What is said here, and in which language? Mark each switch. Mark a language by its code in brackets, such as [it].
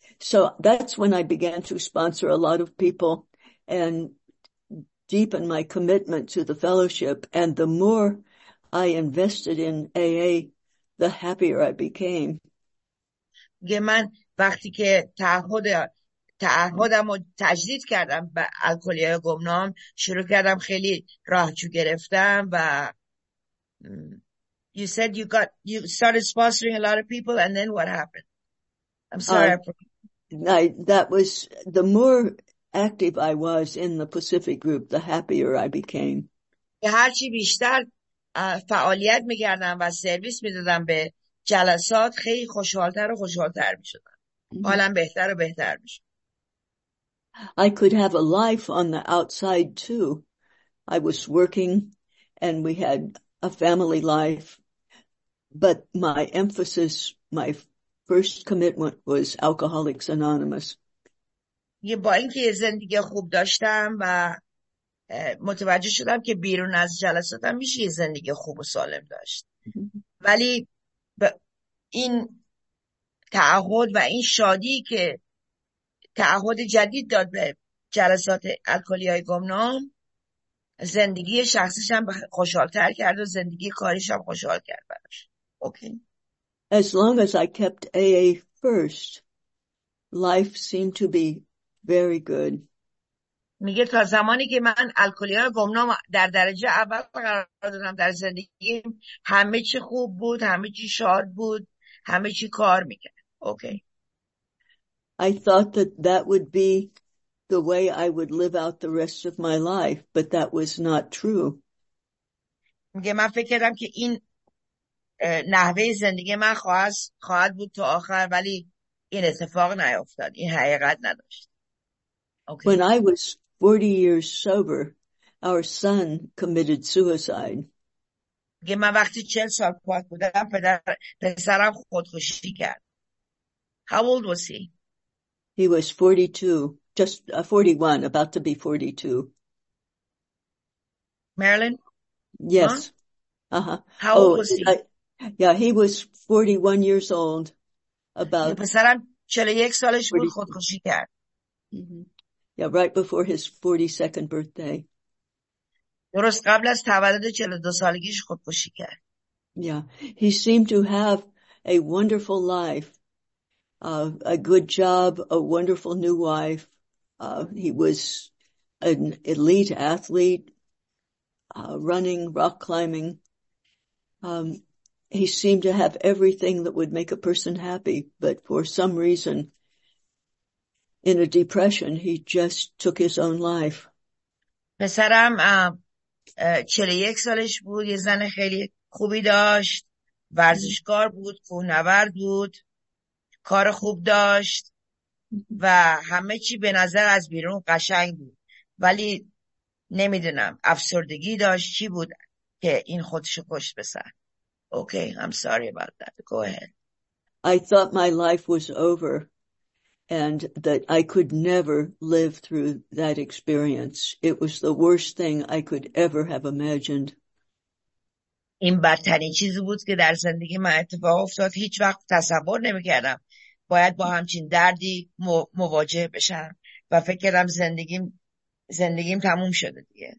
[en] So that's when I began to sponsor a lot of people and deepen my commitment to the fellowship. And the more I invested in AA, the happier I became. [fa] میگه من وقتی که تعهدم رو تجدید کردم به الکلی های گمنام شروع کردم خیلی راهجو گرفتم و [en] You said you started sponsoring a lot of people and then what happened? I'm sorry. That was the more active I was in the Pacific group, the happier I became. [fa] هرچی بیشتر فعالیت میکردم و سرویس میدادم به جلسات خیلی خوشحالتر و خوشحالتر می شدم. حالا بهتر و بهتر می شدم. [en] I could have a life on the outside too. I was working and we had a family life, but my emphasis, my first commitment was Alcoholics Anonymous. [fa] یه با اینکه زندگی خوب داشتم و متوجه شدم که بیرون از جلساتم میشه یه زندگی خوب و سالم داشت. ولی این تعهد و این شادی که تعهد جدید داد به جلسات الکلی های گمنام زندگی شخصیشم خوشحالتر کرد و زندگی کاریشم خوشحال کرد براش. [en] Okay. As long as I kept AA first, life seemed to be very good. [fa] میگه تا زمانی که من الکلی های گمنام در درجه اول قرار دادم در زندگیم همه چی خوب بود، همه چی شاد بود، همه چی کار میکرد. [en] Okay. I thought that would be the way I would live out the rest of my life, but that was not true. [fa] میگه من فکر کردم که این نحوه زندگی من خواهد بود تا آخر، ولی این اتفاق نیفتاد، این حقیقت نداشت. [en] Okay. When I was 40 years sober, our son committed suicide. [fa] میگه من وقتی 40 سال پاک بودم پسرم خودکشی کرد. [en] How old was he? He was 42, just 41, about to be 42. Marilyn? Yes. Huh? Uh-huh. How Oh, old was he? He was 41 years old, about [fa] پسرم 41 سالش بود خودکشی کرد. [en] Right before his 42nd birthday. [fa] درست قبل از تولد 42 سالگیش خودکشی کرد. [en] He seemed to have a wonderful life, a good job, a wonderful new wife. He was an elite athlete, running, rock climbing. He seemed to have everything that would make a person happy, but for some reason, in a depression, he just took his own life. [fa] پسرم 41 سالش بود، یه زن خیلی خوبی داشت، ورزشکار بود، کوهنورد بود، کار خوب داشت و همه چی به نظر از بیرون قشنگ بود، ولی نمیدونم افسردگی داشت چی بود که این خودشو کشت. پسر [en] Okay, I'm sorry about that. Go ahead. I thought my life was over and that I could never live through that experience. It was the worst thing I could ever have imagined. [fa] این بدترین چیزی بود که در زندگی من اتفاق افتاد. هیچ وقت تصور نمی کردم باید با همچین دردی مواجه بشم و فکر کردم زندگیم تموم شده دیگه.